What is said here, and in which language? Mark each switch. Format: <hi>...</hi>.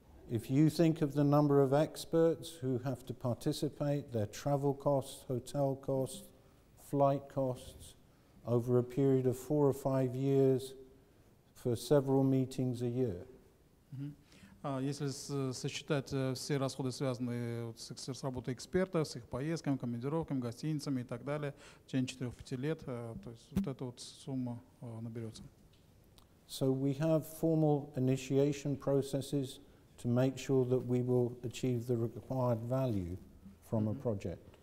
<en>If you think of the number of experts who have to participate, their travel costs, hotel costs, flight costs over a period of 4 or 5 years for several meetings a year.</en> <ru>Если сосчитать все расходы, связанные вот с работой экспертов, с их поездками, командировками, гостиницами и так далее, в течение 4-5 лет, то есть вот эта вот сумма наберется.</ru> <en>So we have formal initiation processes to make sure that we will achieve the required value from a project.</en>